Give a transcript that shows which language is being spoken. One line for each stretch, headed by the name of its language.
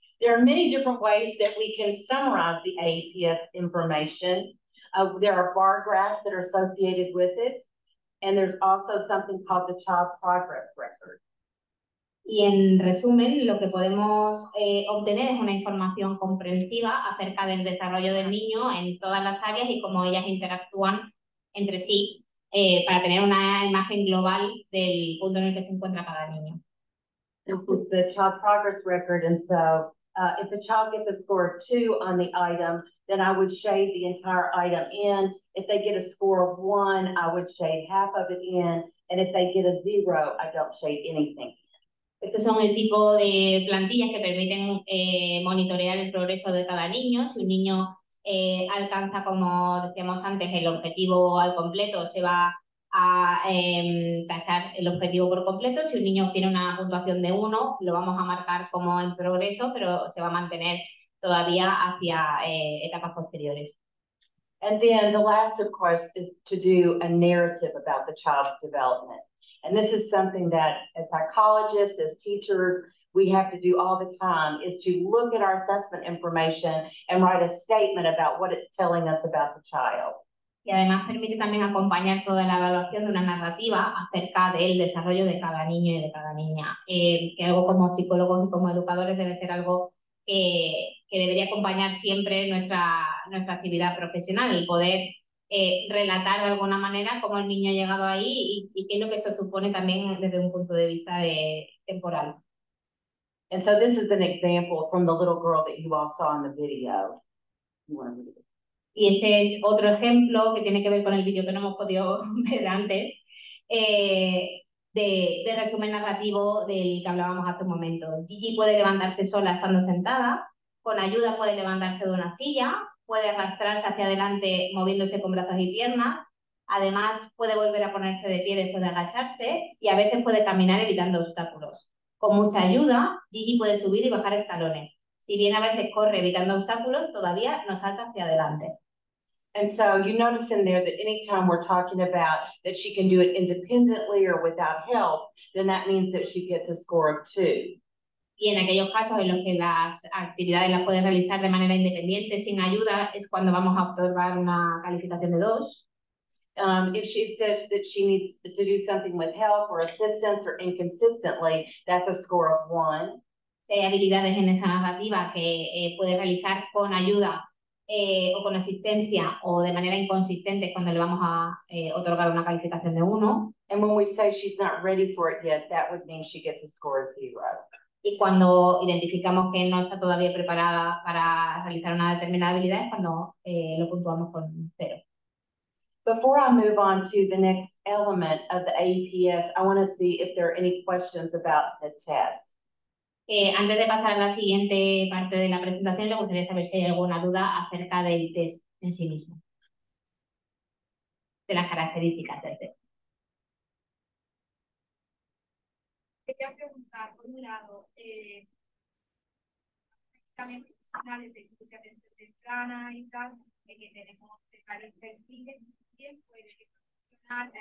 English: There are many different ways that we can summarize the AEPs information. There are bar graphs that are associated with it, and there's also something called the child progress record.
Spanish: Y en resumen, lo que podemos obtener es una información comprensiva acerca del desarrollo del niño en todas las áreas y cómo ellas interactúan entre sí para tener una imagen global del punto en el que se encuentra cada niño.
English: The child progress record, and so if the child gets a score of 2 on the item, then I would shade the entire item in. If they get a score of 1, I would shade half of it in. And if they get a 0, I don't shade anything.
Spanish: Estos son el tipo de plantillas que permiten monitorear el progreso de cada niño. Si un niño alcanza, como decíamos antes, el objetivo al completo, se va a tachar el objetivo por completo. Si un niño obtiene una puntuación de 1, lo vamos a marcar como en progreso, pero se va a mantener todavía hacia etapas posteriores.
English: And then the last, of course, is to do a narrative about the child's development. And this is something that as psychologists, as teachers, we have to do all the time, is to look at our assessment information and write a statement about what it's telling us about the child.
Spanish: Y además permite también acompañar toda la evaluación de una narrativa acerca del desarrollo de cada niño y de cada niña. Que algo como psicólogos y como educadores debe ser algo que debería acompañar siempre nuestra actividad profesional y poder relatar de alguna manera cómo el niño ha llegado ahí y qué es lo que esto supone también desde un punto de vista de temporal.
English: And so this is an example from the little girl that you all saw in the video.
Spanish: Y este es otro ejemplo que tiene que ver con el vídeo que no hemos podido ver antes, de resumen narrativo del que hablábamos hace un momento. Gigi puede levantarse sola estando sentada, con ayuda puede levantarse de una silla, puede arrastrarse hacia adelante moviéndose con brazos y piernas, además puede volver a ponerse de pie después de agacharse y a veces puede caminar evitando obstáculos. Con mucha ayuda, Gigi puede subir y bajar escalones. Si bien a veces corre evitando obstáculos, todavía no salta hacia adelante.
English: And so you notice in there that anytime we're talking about that she can do it independently or without help, then that means that she gets a score of 2.
Spanish: Y en aquellos casos en los que las actividades las puede realizar de manera independiente, sin ayuda, es cuando vamos a otorgar una calificación de 2.
English: If she says that she needs to do something with help or assistance or inconsistently, that's a score of 1.
Spanish: Hay habilidades en esa narrativa que puede realizar con ayuda o con asistencia o de manera inconsistente cuando le vamos a otorgar una calificación de 1.
English: And when we say she's not ready for it yet, that would mean she gets a score of 0.
Spanish: Y cuando identificamos que no está todavía preparada para realizar una determinada habilidad es cuando lo puntuamos con 0.
English: Before I move on to the next element of the AEPS, I want to see if there are any questions about the test.
Spanish: Antes de pasar a la siguiente parte de la presentación, me gustaría saber si hay alguna duda acerca del test en sí mismo, de las características del test. Quería preguntar, por un lado, también profesionales de inclusión de atención temprana y tal, que tenemos que estar en perfil, ¿quién puede funcionar?